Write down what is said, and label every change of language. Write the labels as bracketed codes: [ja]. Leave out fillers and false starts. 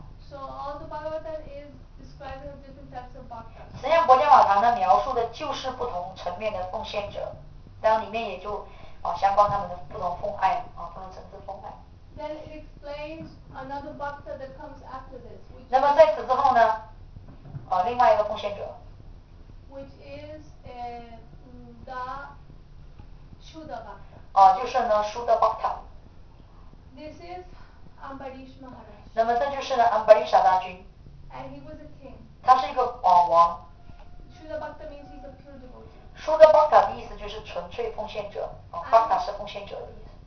[en] So all the Bhagavatam is describing the different types of bhakta. [zh] 实际上，国家宝堂呢描述的就是不同层面的奉献者，当里面也就相关他们的不同奉爱不同层次奉爱。 [en] Then it explains another bhakta that comes after this. [zh] 那么在此之后呢，另外一个奉献者。 [en] Which is the Shuddha bhakta. [zh] 就是呢 Shuddha bhakta. [en] This is. Ambarish Maharaj. [zh] 那么这就是呢 ，Ambarisha 大君。 [en] And he was a king. [zh] 他是一个王。 [en] Shuddha Bhakta means he's a pure devotee. [zh] Shuddha Bhakta 的意思就是纯粹奉献者。Bhakta 是奉献者的意思。